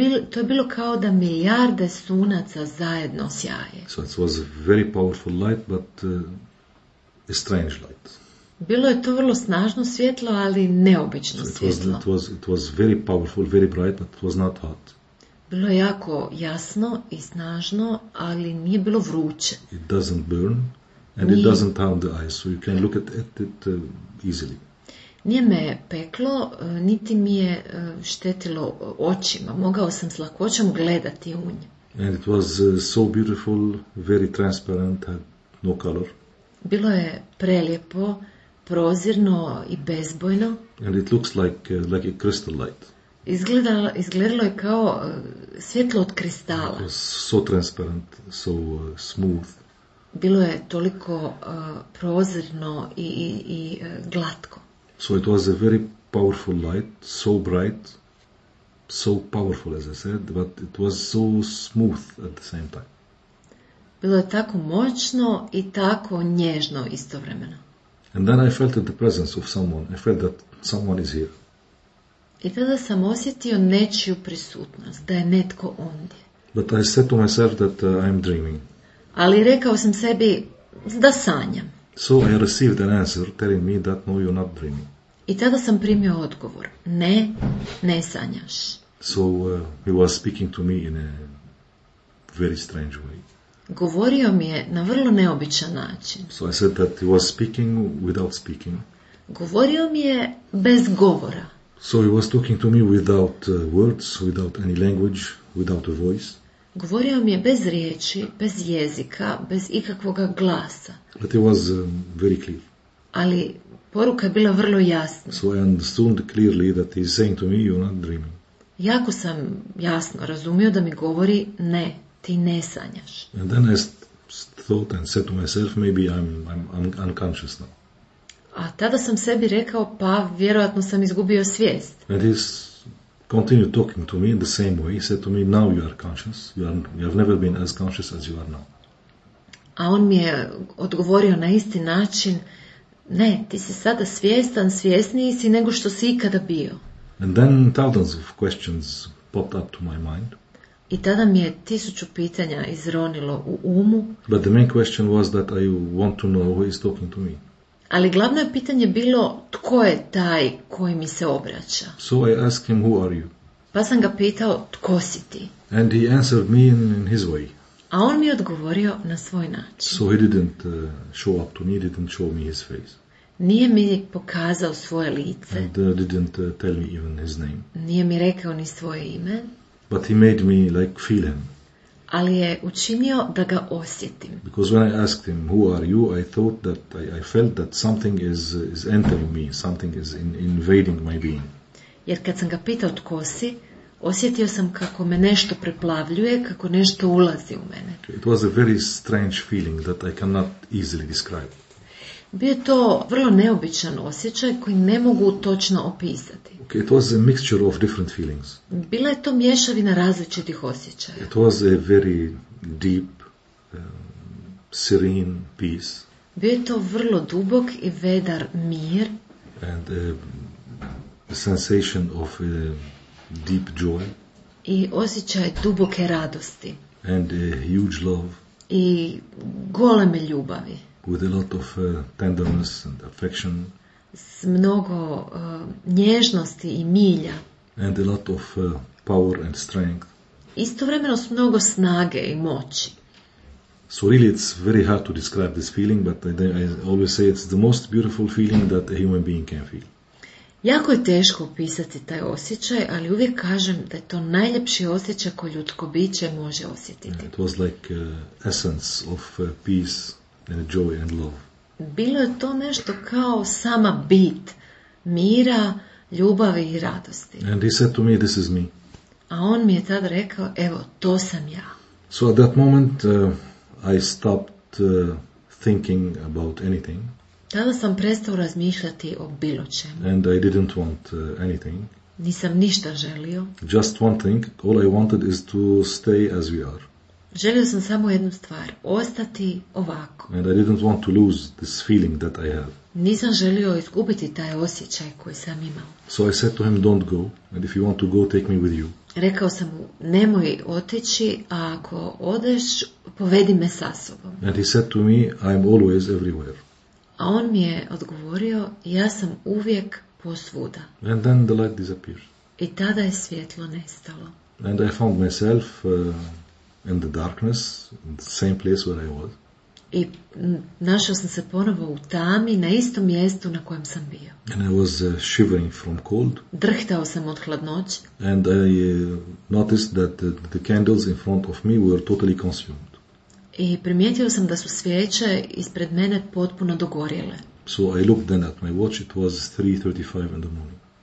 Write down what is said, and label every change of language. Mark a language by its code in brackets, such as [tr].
[hr] To je bilo kao da milijarde sunaca zajedno sjaje. [en] So it was a very powerful light, but a strange light. [hr] Bilo je to vrlo snažno svjetlo, ali neobično svjetlo. [en] It was very powerful, very bright, but it was not hot. [hr] Bilo je jako jasno i snažno, ali nije bilo vruće. [en] It doesn't burn. And it doesn't harm the eyes, so you can look at it easily. [hr] Nije me peklo, niti mi je štetilo očima. Mogao sam s lakoćom gledati u nje. [en] And it was so beautiful, very transparent, had no color. [hr] Bilo je prelijepo, prozirno i bezbojno. [en] And it looks like a crystal light. [hr] Izgledalo je kao svjetlo od kristala. [en] It was so transparent, so smooth. [hr] bilo je toliko prozirno i glatko. [en] So it was a very powerful light, so bright, so powerful, as I said, but it was so smooth at the same time. [hr] Bilo je tako moćno i tako nježno istovremeno. [en] And then I felt the presence of someone. I felt that someone is here. [hr] I tada sam osjetio nečiju prisutnost, da je netko ondje. [en] But I said to myself that I'm dreaming. [hr] Ali rekao sam sebi da sanjam. [en] So I received an answer telling me that no, you're not dreaming. [hr] I tada sam primio odgovor. Ne, ne sanjaš. [en] So he was speaking to me in a very strange way. [hr] Govorio mi je na vrlo neobičan način. [en] So I said that he was speaking without speaking. [hr] Govorio mi je bez govora. [en] So he was talking to me without words, without any language, without a voice. [hr] Govorio mi je bez riječi, bez jezika, bez ikakvog glasa. [en] But it was very clear. [hr] Ali poruka je bila vrlo jasna. [en] So I understood clearly that he's saying to me, you're not dreaming. [hr] Jako sam jasno razumio da mi govori ne. Ti ne sanjaš. [en] And then I thought and said to myself, maybe I'm unconscious now. [hr] A tada sam sebi rekao, pa vjerojatno sam izgubio svijest. [en] And he continued talking to me in the same way. He said to me, now you are conscious. You have never been as conscious as you are now. [hr] A on mi je odgovorio na isti način, ne, ti si sada svjestan, svjesniji si nego što si ikada bio. [en] And then thousands of questions popped up to my mind. [hr] I tada mi je 1000 pitanja izronilo u umu. [en] But the main question was that I want to know who is talking to me. [hr] Ali glavno je pitanje bilo tko je taj koji mi se obraća. [en] So I asked him, who are you? [hr] Pa sam ga pitao tko si ti. [en] And he answered me in his way. [hr] A on mi je odgovorio na svoj način. [en] So he didn't show up to me, didn't show me his face. [hr] Nije mi pokazao svoje lice. [en] And didn't tell me even his name. [hr] Nije mi rekao ni svoje ime. [en] But he made me like feel him. [hr] Ali je učinio da ga osjetim. [en] Because when I asked him, who are you, I thought that I felt that something is entering me, something is invading my being. [hr] Jer kad sam ga pitao tko si, osjetio sam kako me nešto preplavljuje, kako nešto ulazi u mene. [en] It was a very strange feeling that I cannot easily describe. [hr] Bio to vrlo neobičan osjećaj koji ne mogu točno opisati. [en] Okay, it was a mixture of different feelings. [hr] Bila je to mješavina različitih osjećaja. [en] It was a very deep, serene peace. [hr] Bio je to vrlo dubok i vedar mir. [en] And a sensation of a deep joy. [hr] I osjećaj duboke radosti. [en] And a huge love. [hr] I goleme ljubavi. [en] With a lot of tenderness and affection. [hr] S mnogo nježnosti i milja. [en] And a lot of power and strength. [hr] Istovremeno s mnogo snage i moći. [en] So really it's very hard to describe this feeling, but I always say it's the most beautiful feeling that a human being can feel. [hr] Jako je teško opisati taj osjećaj, ali uvijek kažem da je to najljepši osjećaj koje ljudsko biće može osjetiti. [en] It was like essence of peace and joy and love. [hr] Bilo je to nešto kao sama bit mira, ljubavi i radosti. [en] And he said to me, this is me. [hr] A on mi je tada rekao, evo, to sam ja. [en] So at that moment I stopped thinking about anything. [hr] Tada sam prestao razmišljati o bilo čemu. [en] And I didn't want anything. [hr] Nisam ništa želio. [en] Just one thing, all I wanted is to stay as we are. [hr] Želio sam samo jednu stvar, ostati ovako. [en] And I didn't want to lose this feeling that I have. [hr] Nisam želio izgubiti taj osjećaj koji sam imao. [en] So I said to him, don't go, and if you want to go, take me with you. [hr] Rekao sam mu, nemoj otići, a ako odeš, povedi me sa sobom. [en] And he said to me, I'm always everywhere. [hr] A on mi je odgovorio, ja sam uvijek posvuda. [en] And then the light disappeared. [hr] I tada je svjetlo nestalo. [en] And I found myself in the darkness, in the same place where I was. [hr] I našao sam se ponovo u tami, na istom mjestu na kojem sam bio. [en] And I was shivering from cold. [hr] Drhtao sam od hladnoće. [en] And I noticed that the candles in front of me were totally consumed. [hr] I primijetio sam da su svijeće ispred mene potpuno dogorjele. [en] So I looked then at my watch, it was 3:35 in the morning.